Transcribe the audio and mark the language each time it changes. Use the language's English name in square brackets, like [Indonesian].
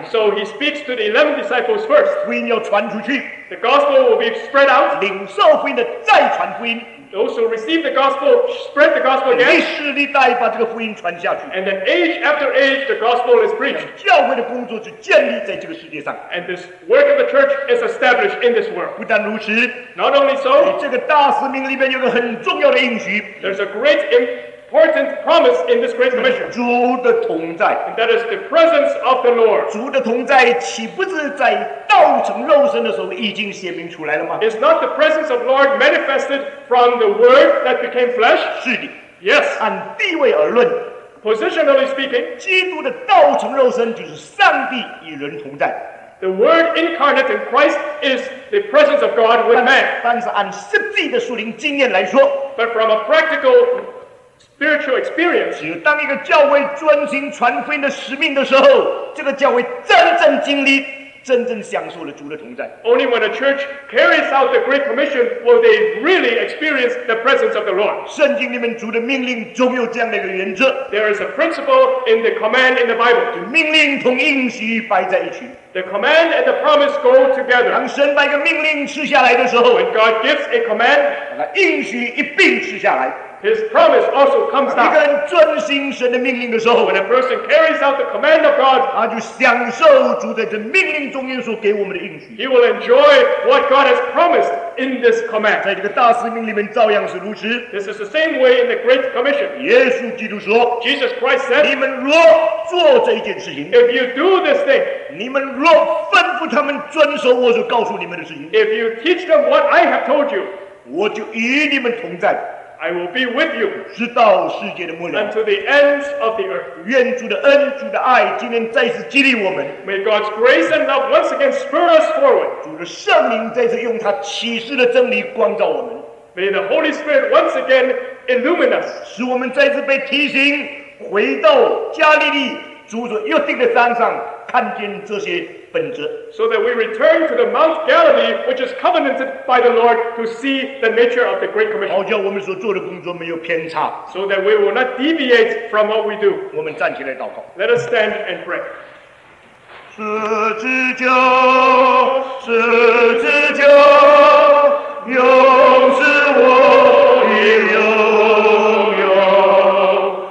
[English] So he speaks to the 11 disciples first. [Chinese] 福音要传出去。 [English] The gospel will be spread out. [Chinese] 领受福音的再传福音。 [English] Those who receive the gospel, spread the gospel again. [Chinese] 历史历代把这个福音传下去。 [English] And then age after age, the gospel is preached. [Chinese] 教会的工作是建立在这个世界上。 [English] And this work of the church is established in this world. [Chinese] 不但如此。 [English] Not only so. [Chinese] 这个大使命里面有个很重要的应许。 [English] There's a great important promise in this great commission. [Chinese] 主的同在。 [English] And that is the presence of the Lord. [Chinese] 主的同在岂不是在道成肉身的时候已经显明出来了吗 [English] ？Is not the presence of Lord manifested from the Word that became flesh? [Chinese] 是的。 [English] Yes. [Chinese] 按地位而论 [English] ，positionally speaking， [Chinese] 基督的道成肉身就是上帝与人同在。 [English] The Word incarnate in Christ is the presence of God with man. [Chinese] 但是按实际的属灵经验来说 [English] ，But from a practical spiritual experience， [Chinese] 只当一个教会遵行传福音的使命的时候，这个教会真正经历。真正享受了主的同在。 [English] Only when a church carries out the Great Commission will they really experience the presence of the Lord. [Chinese] 圣经里面主的命令总有这样的一个原则。 [English] There is a principle in the command in the Bible. [Chinese] 命令同应许摆在一起。 [English] The command and the promise go together. [Chinese] 当神把一个命令赐下来的时候 [English] ，When God gives a command, [Chinese] 把应许一并赐下来。 [English] His promise also comes down. [Chinese] 一个人遵行神的命令的时候 [English] ，When a person carries out the command of God, [Chinese] 他就享受主在这命令中间所给我们的应许。 [English] He will enjoy what God has promised in this command. [Chinese] 在这个大使命里面照样是如此。 [English] This is the same way in the Great Commission. [Chinese] 耶稣基督说 [English] ，Jesus Christ said, [Chinese] 你们若做这一件事情 [English] ，If you do this thing, [Chinese] 你们若吩咐他们遵守我所告诉你们的事情 [English] ，If you teach them what I have told you, [Chinese] 我就与你们同在。 [English] I will be with you [Chinese] 直到世界的末了 [English] until the ends of the earth. [Chinese] 愿主的恩主的爱今天再次激励我们 [English] May God's grace and love once again spur us forward. [Chinese] 主的圣灵再次用他启示的真理光照我们 [English] May the Holy Spirit once again illumine us. [Chinese] 使我们再次被提醒回到加利利主所约定的山上看见这些本质 [English] So that we return to the Mount Galilee, which is covenanted by the Lord, to see the nature of the Great Commission. [Chinese] 好叫我们所做的工作没有偏差 [English] So that we will not deviate from what we do. [Chinese] 我们站起来祷告 [English] Let us stand and pray. [Chinese] 十字架，十字架，永是我的荣耀。